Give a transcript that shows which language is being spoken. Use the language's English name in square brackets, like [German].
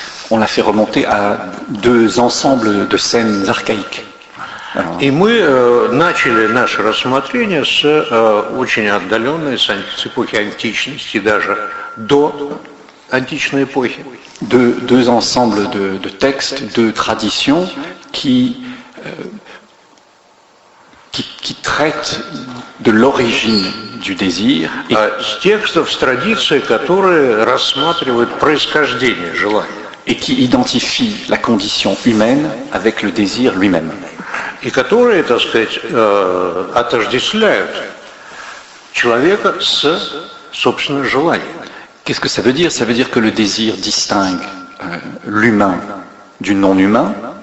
[French] On l'a fait remonter à deux ensembles de scènes archaïques. [Russian] И мы начали наше рассмотрение с очень отдаленной, с эпохи античности, даже до античной эпохи. [French] Deux ensembles de textes, deux traditions qui traitent de l'origine du désir. [Russian] С текстов, с традиций, которые рассматривают происхождение желания. [French] Et qui identifie la condition humaine avec le désir lui-même. [Russian] И которые, так сказать, отождествляют человека с собственным желанием. [French] Qu'est-ce que ça veut dire? Ça veut dire que le désir distingue l'humain du non-humain.